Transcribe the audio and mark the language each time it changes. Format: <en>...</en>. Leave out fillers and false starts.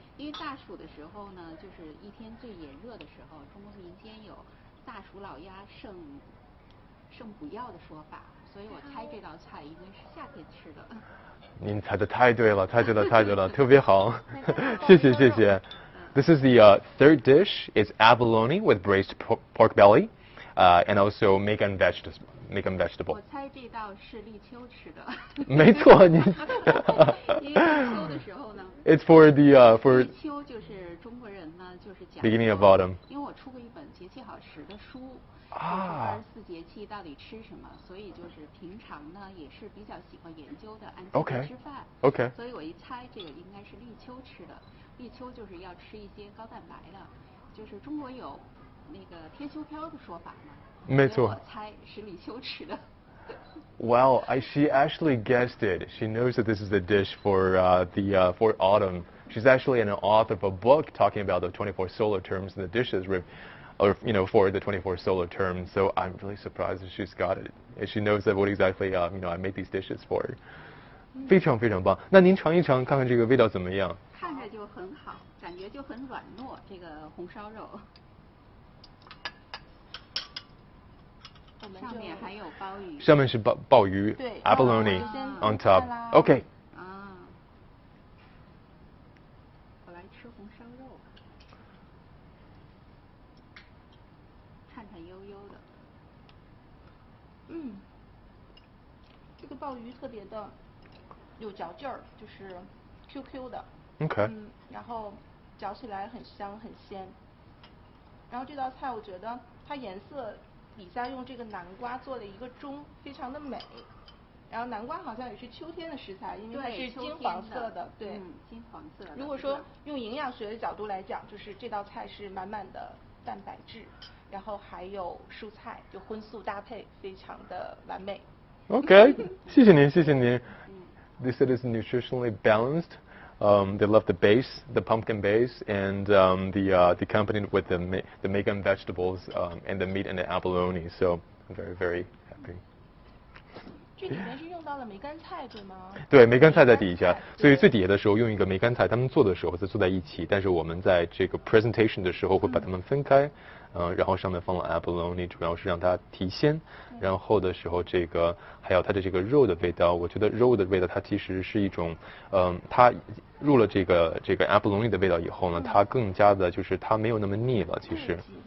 <zh>因为大暑的时候呢，就是一天最炎热的时候，中国民间有大暑老鸭胜补药的说法，所以我猜这道菜应该是夏天吃的。您猜的太对了，太对了，太对了，特别好，谢谢，谢谢。</zh> <en>This is the third dish. It's abalone with braised pork belly, and also mekan vegetable.</en> <zh>我猜这道是立秋吃的。没错，你。因为立秋的时候呢。</zh> <en>It's for the for.</en> <zh>立秋就是中国人呢，就是讲。</zh> <en>Beginning of autumn.</en> <zh>因为我出过一本节气好食的书。啊。二十四节气到底吃什么？所以就是平常呢，也是比较喜欢研究的，按季节吃饭。</zh> <en>Okay.</en> <zh>所以我一猜这个应该是立秋吃的。立秋就是要吃一些高蛋白的，就是中国有那个贴秋膘的说法嘛。没错。我猜是立秋吃的。</zh> <en>Well, she actually guessed it. She knows that this is a dish for autumn. She's actually an author of a book talking about the 24 solar terms and the dishes. Or, you know, for the 24 solar term, so I'm really surprised that she's got it. And she knows that what exactly, you know, I make these dishes for.</en> <zh>非常非常棒。那您尝一尝，看看这个味道怎么样？看着就很好，感觉就很软糯，这个红烧肉。上面还有鲍鱼。上面是鲍鱼。对。</zh> <en>Abalone on top. OK. 啊。</en> <zh>我来吃红烧肉。悠悠的，这个鲍鱼特别的有嚼劲儿，就是 QQ 的</zh> <en>OK、</en> <zh>然后嚼起来很香很鲜，然后这道菜我觉得它颜色底下用这个南瓜做了一个钟，非常的美，然后南瓜好像也是秋天的食材，因为它是金黄色的 对, 金黄色的。如果说用营养学的角度来讲，就是这道菜是满满的蛋白质，然后还有蔬菜，就荤素搭配非常的完美。</zh> <en>OK，</en> <zh>谢谢您，谢谢您。</zh> <en>They said it's nutritionally balanced. They love the base, the pumpkin base, and the accompanied with the mekan vegetables, and the meat and the abalone. So I'm very, very happy.</en> <zh>这里面是用到了梅干菜对吗？对，梅干菜在底下，所以最底下的时候用一个梅干菜，他们做的时候是坐在一起，但是我们在这个 presentation 的时候会把它们分开。然后上面放了 abalone， 主要是让它提鲜。然后的时候，这个还有它的这个肉的味道，我觉得肉的味道它其实是一种，它入了这个 abalone 的味道以后呢，它更加的就是它没有那么腻了，其实。</zh>